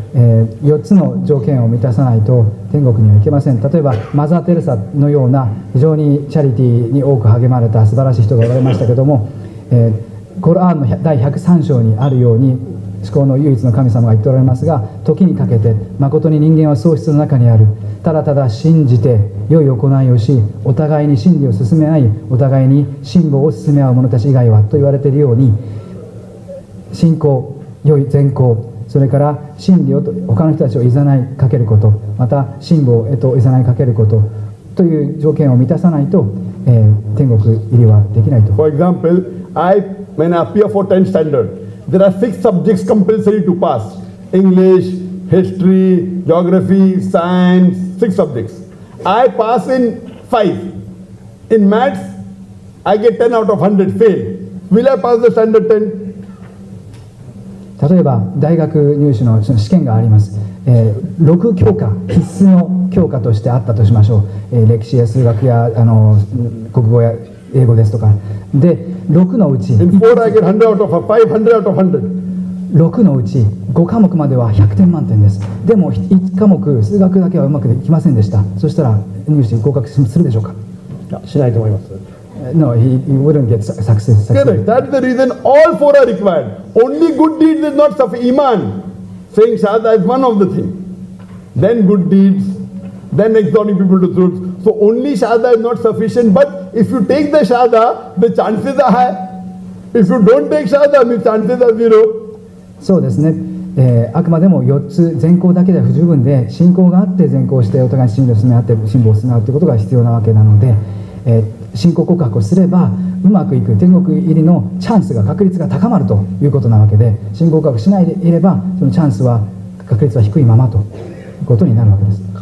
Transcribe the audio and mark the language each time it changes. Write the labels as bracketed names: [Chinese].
[Japanese] 4つの条件を満たさないと天国には行けません。例えばマザー・テレサのような非常にチャリティーに多く励まれた素晴らしい人がおられましたけども、コルアンの第103章にあるように至高の唯一の神様が言っておられますが、時にかけて誠に人間は喪失の中にある、ただただ信じて良い行いをし、お互いに真理を進め合い、お互いに信仰を進め合う者たち以外はと言われているように、信仰、良い善行、それから真理を他の人たちをいざないかけること、また信仰へといざないかけることという条件を満たさないと、天国入りはできないと。 [English] For example, I when I appear for 10th standard, there are 6 subjects compulsory to pass: English, history, geography, science, 6 subjects. I pass in 5. In maths, I get 10 out of 100, fail. Will I pass the standard 10? [Japanese] 例えば大学入試の試験があります。6教科必須の教科としてあったとしましょう。歴史や数学や国語や英語ですとかで、6のうち6のうち5科目までは100点満点です。でも1科目数学だけはうまくいきませんでした。そしたら入試合格するでしょうか。しないと思います。 [English] No, he wouldn't get success. That is the reason all four are required. Only good deeds is not sufficient. Iman, saying shahada is one of the things. Then good deeds, then exhorting people to truth. So only shahada is not sufficient. But if you take the shahada, the chances are high. If you don't take shahada, the chances are zero. So this net. [Japanese] あくまでも4つ善行だけでは不十分で、信仰があって善行して、お互い信仰を進め合って信仰を進め合うということが必要なわけなので、信仰告白をすればうまくいく、天国入りのチャンスが確率が高まるということなわけで、信仰告白しないでいればそのチャンスは確率は低いままということになるわけです。